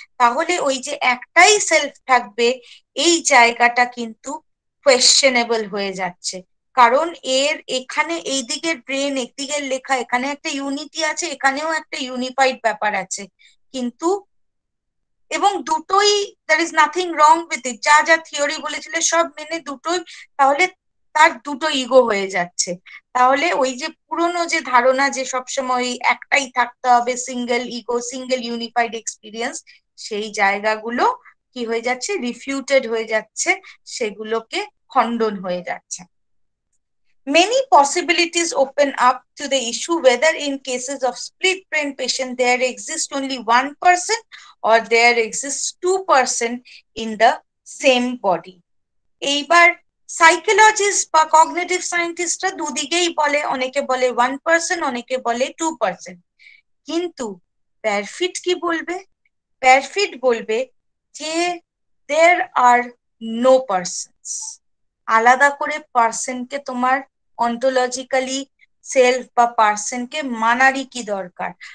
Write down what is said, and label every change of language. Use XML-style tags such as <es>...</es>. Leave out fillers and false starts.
<bn>তাহলে ওই যে একটাই সেলফ থাকবে এই জায়গাটা কিন্তু কোয়েশ্চেনেবল হয়ে যাচ্ছে, কারণ এর এখানে এইদিকে ব্রেন একদিকে লেখা, এখানে একটা ইউনিটি আছে, এখানেও একটা ইউনিফাইড ব্যাপার আছে, কিন্তু এবং দুটোই</bn> <en>there is nothing wrong with it,</en> <bn>যা যা থিওরি বলেছিল সব মেনে দুটোই, তাহলে তার দুটো ইগো হয়ে যাচ্ছে। তাহলে ওই যে পুরনো যে ধারণা যে সবসময় একটাই থাকতে হবে, single ego single unified experience, সেই জায়গাগুলো কি হয়ে যাচ্ছে, রিফিউটেড হয়ে যাচ্ছে, সেগুলোকে খণ্ডন হয়ে যাচ্ছে।</bn> <en>Many possibilities open up to the issue whether in cases of split brain patient there exists only one person or there exists two person in the same body.</en> <bn>এইবার psychologist বা cognitive scientistরা দুদিকেই বলে, অনেকে বলে one person, অনেকে বলে two person, কিন্তু Perfit কি বলবে, Perfit বলবে যে</bn> <en>there are no persons,</en> <bn>আলাদা করে person কে তোমার অন্টোলজিক্যালি সেলফ বা পার্সনকে মানারই কি দরকার।</bn>